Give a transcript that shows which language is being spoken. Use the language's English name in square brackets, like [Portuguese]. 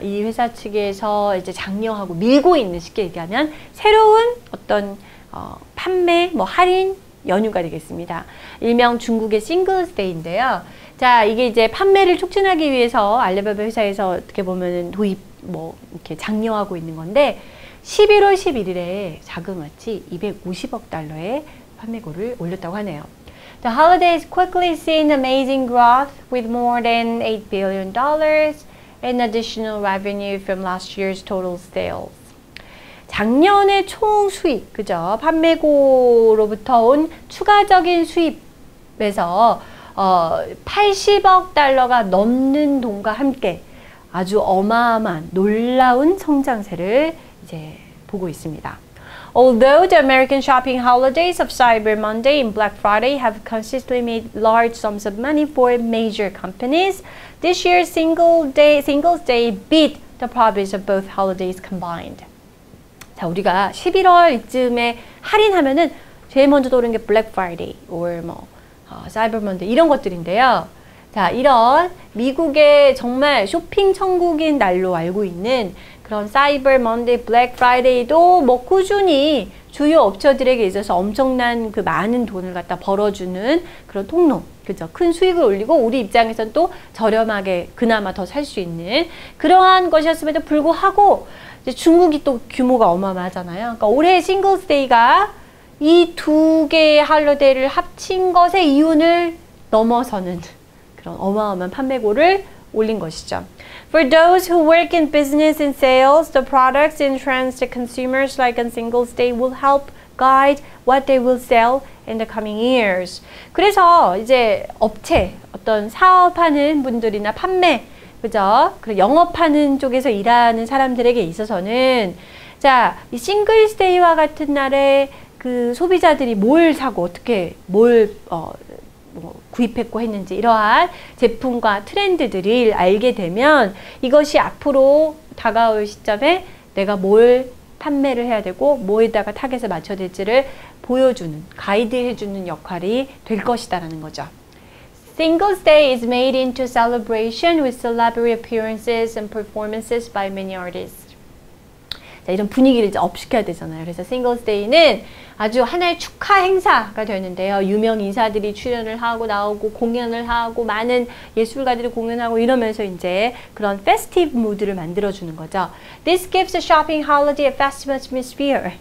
[Korean] 이 회사 측에서 이제 장려하고 밀고 있는, 쉽게 얘기하면 새로운 어떤 판매, 뭐 할인, 연휴가 되겠습니다. 일명 중국의 싱글스데이인데요. 자, 이게 이제 판매를 촉진하기 위해서 알리바바 회사에서 어떻게 보면 도입, 뭐, 이렇게 장려하고 있는 건데, 11월 11일에 자그마치 250억 달러의 판매고를 올렸다고 하네요. [English] The holidays quickly seen amazing growth with more than $8 billion in additional revenue from last year's total sales. [Korean] 작년의 총 수입, 그죠? 판매고로부터 온 추가적인 수입에서 80억 달러가 넘는 돈과 함께 아주 어마어마한 놀라운 성장세를 이제 보고 있습니다. [English] Although the American shopping holidays of Cyber Monday and Black Friday have consistently made large sums of money for major companies, this year's Singles Day beat the profits of both holidays combined. [Korean] 자, 우리가 11월 이쯤에 할인하면은 제일 먼저 떠오르는 게 Black Friday or 뭐 Cyber Monday 이런 것들인데요. 자, 이런 미국의 정말 쇼핑 천국인 날로 알고 있는 그런 Cyber Monday, Black Friday도 뭐 꾸준히 주요 업체들에게 있어서 엄청난 그 많은 돈을 갖다 벌어주는 그런 통로, 그죠? 큰 수익을 올리고 우리 입장에선 또 저렴하게 그나마 더 살 수 있는 그러한 것이었음에도 불구하고 이제 중국이 또 규모가 어마어마하잖아요. 그러니까 올해 싱글스데이가 이 두 개의 할로데이를 합친 것의 이윤을 넘어서는 그런 어마어마한 판매고를 올린 것이죠. [English] For those who work in business and sales, the products in trends to consumers like on Singles Day will help guide what they will sell in the coming years. [Korean] 그래서 이제 업체, 어떤 사업하는 분들이나 판매, 그죠? 그리고 영업하는 쪽에서 일하는 사람들에게 있어서는 자, 이 Singles Day와 같은 날에 그 소비자들이 뭘 사고 어떻게 뭘 구입했고 했는지 이러한 제품과 트렌드들을 알게 되면 이것이 앞으로 다가올 시점에 내가 뭘 판매를 해야 되고 뭐에다가 타겟을 맞춰야 될지를 보여주는, 가이드해주는 역할이 될 것이다 라는 거죠. [English] Singles Day is made into celebration with celebrity appearances and performances by many artists. [Korean] 자, 이런 분위기를 이제 업시켜야 되잖아요. 그래서 Singles Day는 아주 하나의 축하 행사가 되었는데요. 유명 인사들이 출연을 하고 나오고 공연을 하고 많은 예술가들이 공연하고 이러면서 이제 그런 festive 무드를 만들어주는 거죠. [English] This gives a shopping holiday a festive atmosphere.